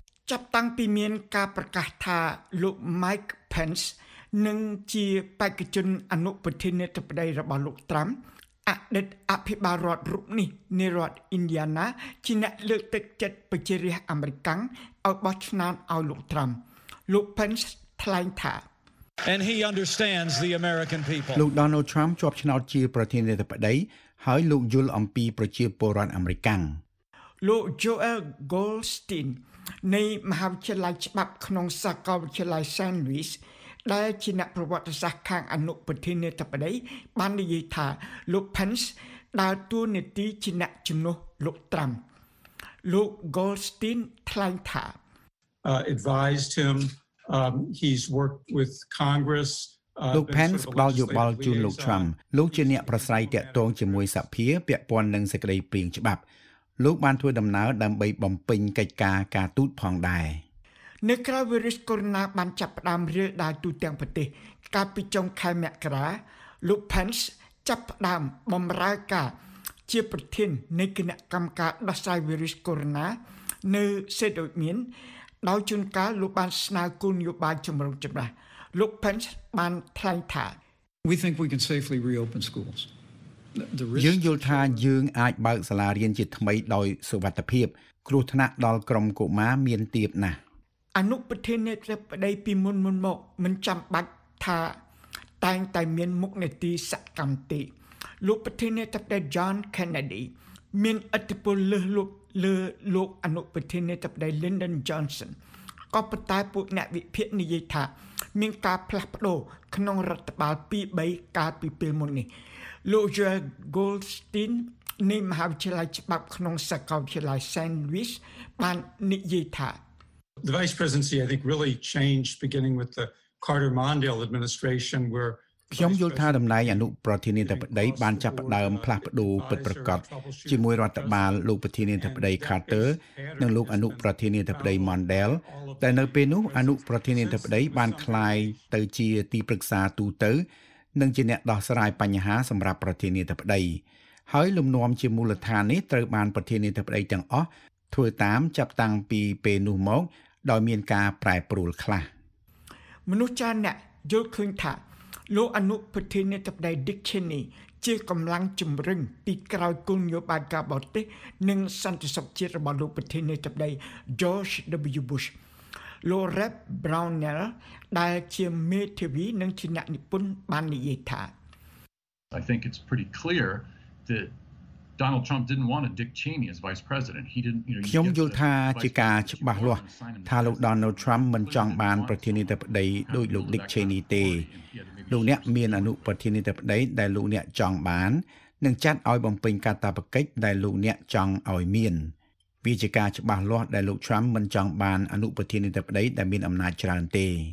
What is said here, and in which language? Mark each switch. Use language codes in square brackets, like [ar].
[km] ចាប់តាំងពីមានការប្រកាសថាលោក Mike Pence នឹងជាបេក្ខជនអនុប្រធានាធិបតីរបស់លោក Trump អតីតអភិបាលរដ្ឋរូបនេះនៃរដ្ឋ Indiana ជាអ្នកលើកទឹកចិត្តប្រជារាស្ត្រអាមេរិកឲ្យបោះឆ្នោតឲ្យលោក Trump លោក Pence ថ្លែងថា [en] And he understands the American people [km] លោក Donald Trump ជាប់ឆ្នោតជាប្រធានាធិបតីហើយលោកយល់អំពីប្រជាពលរដ្ឋអាមេរិក លោក Joel Goldstein នៃមហាវិទ្យាល័យច្បាប់ក្នុងសាកលវិទ្យាល័យ San Luis ដែលជាអ្នកប្រវត្តិសាស្ត្រខាងអនុប្រធានាធិបតីបាននិយាយថាលោក Pence ដើរតួនាទីជាអ្នកជំនួសលោក Trump លោក Goldstein ថ្លែងថា [en] advised him he's worked with Congress [km] លោក Pence ផ្ដល់យោបល់ជូនលោក Trump លោកជាអ្នកប្រស្រ័យទាក់ទងជាមួយសភាពាក់ព័ន្ធនឹងសេចក្តីព្រាងច្បាប់លោកបានធ្វើដំណើរដើម្បីបំពេញកិច្ចការការទូតផងដែរ នៅក្រៅវីរុសកូរ៉ូណាបានចាប់ផ្ដើមរាលដាលទូទាំងប្រទេសកាលពីចុងខែមករាលោក Pence ចាប់ផ្ដើមបម្រើការជាប្រធាននៃគណៈកម្មការដោះស្រាយវីរុសកូរ៉ូណានៅសេដូមៀនដោយជួនកាលលោកបានស្នើគោលនយោបាយជំរុញច្បាស់លោក Pence បានថ្លែងថា [en] We think we can safely reopen schools [km] យើងយល់ថាយើងអាចបើកសាលារៀនជាថ្មីដោយសុវត្ថិភាពគ្រោះថ្នាក់ដល់ក្រុមកុមារមានទៀតណាស់ អនុប្រធានាធិបតីពីមុនមកមិនចាំបាច់ថាតែងតែមានមុខនីតិសកម្មទេលោកប្រធានាធិបតី John Kennedy មានឥទ្ធិពលលើលោកអនុប្រធានាធិបតី Lyndon Johnson ក៏ប៉ុន្តែពួកអ្នកវិភាគនិយាយថាមានការផ្លាស់ប្ដូរក្នុងរដ្ឋបាល2-3កាលពីពេលមុននេះលោក Joel Goldstein នៃមហាវិទ្យាល័យច្បាប់ក្នុងសាកលវិទ្យាល័យ San Luis បាននិយាយថា [en] The vice presidency I think really changed beginning with the Carter Mondale administration where [km] ខ្ញុំយល់ថាតំណែងអនុប្រធានាធិបតីបានចាប់ផ្ដើមផ្លាស់ប្ដូរពិតប្រាកដជាមួយរដ្ឋបាលលោកប្រធានាធិបតី Carter និងលោកអនុប្រធានាធិបតី Mondale តែនៅពេលនោះអនុប្រធានាធិបតីបានក្លាយទៅជាទីប្រឹក្សាទូទៅនិងជាអ្នកដោះស្រាយបញ្ហាសម្រាប់ប្រធានាធិបតីហើយលំនាំជាមូលដ្ឋាននេះត្រូវបានប្រធានាធិបតីទាំងអស់ធ្វើតាមចាប់តាំងពីពេលនោះមកដោយមានការប្រែប្រួលខ្លះ មនុស្សចាស់អ្នកយល់ឃើញថាលោកអនុប្រធានាធិបតី Dick Cheney ជាកម្លាំងជំរុញទីក្រោយគោលនយោបាយការបរទេសនិងសន្តិសុខជាតិរបស់លោកប្រធានាធិបតី George W. Bush លោក Rep Brownell ដែលជាមេធាវីនិងជាអ្នកនិពន្ធបាននិយាយថា [en] I think it's pretty clear thatDonald Trump didn't want a Dick Cheney as vice president. He didn't, you know, [km] ខ្ញុំយល់ថាជាការច្បាស់លាស់ថាលោក Donald Trump មិនចង់បានប្រធានាធិបតីដោយលោក Dick Cheney ទេ។លោកអ្នកមានអនុប្រធានាធិបតីដែលលោកអ្នកចង់បាននិងចាត់ឲ្យបំពេញកាតព្វកិច្ចដែលលោកអ្នកចង់ឲ្យមាន។វាជាការច្បាស់លាស់ដែលលោក Trump មិនចង់បានអនុប្រធានាធិបតីដែលមានអំណាចច្រើនទេ